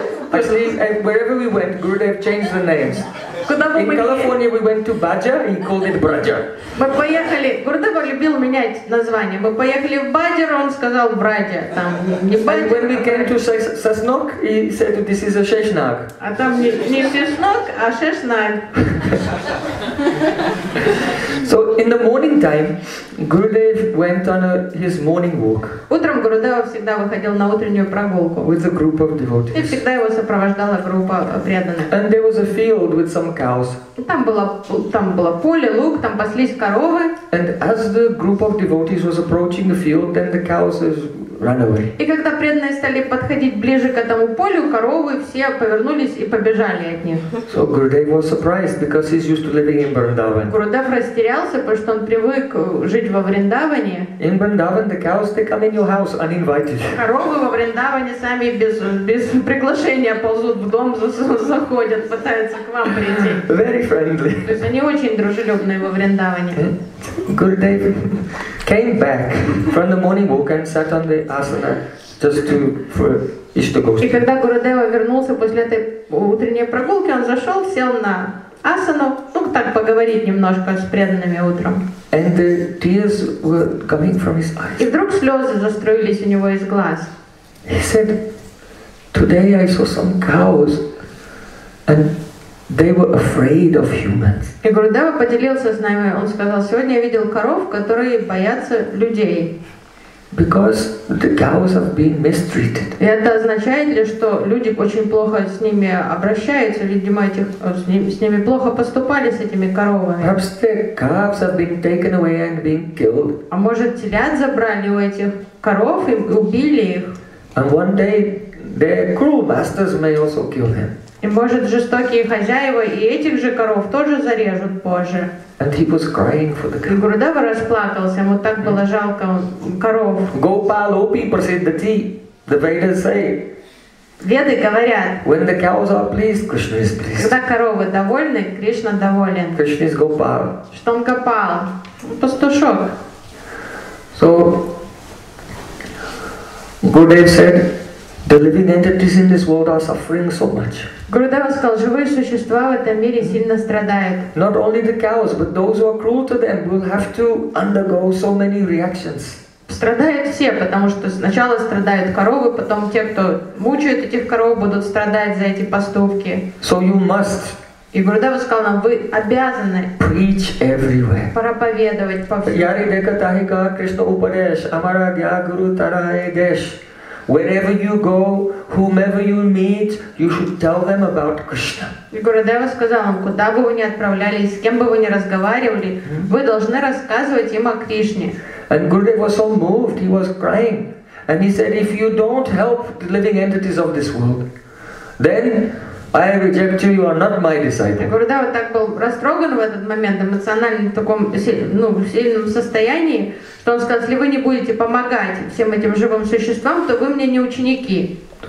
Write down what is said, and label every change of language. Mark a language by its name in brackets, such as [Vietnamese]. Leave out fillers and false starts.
[English] Actually, wherever we went, Gurudev changed the names. In California, we went to Badger, he called it Braja. [Russian] Мы поехали, Гурудев любил менять название. Мы поехали в Баджер, он сказал Браджа. Там не Баджа. [English] And when we came to Cessnock, he said this is a Шешнаг. [Russian] А там не Сеснок, а Шешнаг. [English] So in the morning time, Gurudev went on his morning walk. [Russian] Утром Гурудева всегда выходил на утреннюю прогулку. [English] With a group of devotees. [Russian] И всегда его сопровождала группа преданных. [English] And there was a field with some cows. [Russian] Там было поле, луг, там паслись коровы. [English] And as the group of devotees was approaching the field, then the cows ran away. [Russian] И когда преданные стали подходить ближе к этому полю, коровы все повернулись и побежали от них. [English] So Gurudev was surprised because he's used to living in Vrindavan. [Russian] Гурудев растерялся, потому что он привык жить во Вриндаване. [English] In Vrindavan, the cows they come in your house uninvited. [Russian] Коровы во Вриндаване сами без приглашения ползут в дом, заходят, пытаются к вам прийти. [English] Very friendly. [Russian] То есть они очень дружелюбные во Вриндаване. [English] Gurudev came back from the morning walk and sat on the asana just to for Ishtagosti. [Russian] И когда Гурудева вернулся после этой утренней прогулки, он зашел, сел на асану, ну так поговорить немножко с преданными утром. [English] And the tears were coming from his eyes. [Russian] И вдруг слезы застроились у него из глаз. [English] He said, "Today I saw some cows, and they were afraid of humans." [Russian] И Гурудева поделился с нами. Он сказал: "Сегодня я видел коров, которые боятся людей." [English] Because the cows have been mistreated. [Russian] И это означает ли, что люди очень плохо с ними обращаются, видимо, с ними плохо поступали, с этими коровами? [English] Perhaps the calves have been taken away and been killed. [Russian] А может, телят забрали у этих коров и убили их? [English] And one day their cruel masters may also kill them. [Russian] И может, жестокие хозяева и этих же коров тоже зарежут позже. [English] And he was crying for the cows. [Russian] И Гурудева расплакался, ему так было жалко коров. [Sanskrit] Gopalopi prasiddhati, [English] the Vedas say. [Russian] Веды говорят. [English] When the cows are pleased, Krishna is pleased. [Russian] Когда коровы довольны, Кришна доволен. [English] Krishna is Gopal. [Russian] Что он Гопал? Пастушок. [English] So Gurudev said, the living entities in this world are suffering so much. [Russian] Гурудева сказал, живые существа в этом мире сильно страдают. [English] Not only the cows, but those who are cruel to them will have to undergo so many reactions. [Russian] Страдают все, потому что сначала страдают коровы, потом те, кто мучают этих коров, будут страдать за эти поступки. [English] So you must. [Russian] И Гурудева сказал нам, вы обязаны [English] preach everywhere. [Russian] Проповедовать повсюду. [Bangla] Яри дека тахика Кришна упадеш, амара дья гуру тарае деш. [English] Wherever you go, whomever you meet, you should tell them about Krishna. [Russian] Гурудева сказал им, куда бы вы ни отправлялись, с кем бы вы ни разговаривали, вы должны рассказывать им о Кришне. [English] And Gurudev was so moved, he was crying. And he said, if you don't help the living entities of this world, then I reject you, you are not my disciple. [Russian] Гурудева так был растроган в этот момент, эмоционально в таком сильном состоянии, что он сказал, если вы не будете помогать всем этим живым существам, то вы мне не ученики.